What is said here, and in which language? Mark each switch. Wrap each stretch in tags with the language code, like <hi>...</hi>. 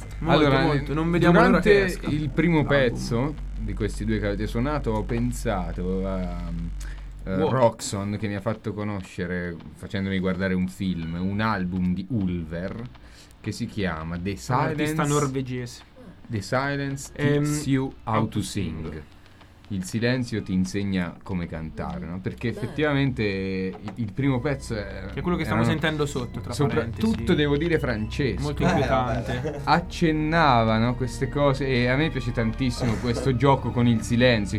<it>Allora, molto. Non vediamo l'ora che esca. Il primo pezzo di questi due che avete suonato, ho pensato a Roxon, che mi ha fatto conoscere facendomi guardare un film, un album di Ulver che si chiama The Silence. Artista norvegese.</it> <en>The Silence Teaches You How to Sing.</en> <it>Il silenzio ti insegna come cantare, no? Perché effettivamente il primo pezzo è... Che è quello che stiamo sentendo sotto, tra parentesi. Tutto devo dire francese. Molto inquietante. Accennava, no, queste cose, e a me piace tantissimo questo gioco con il silenzio.</it>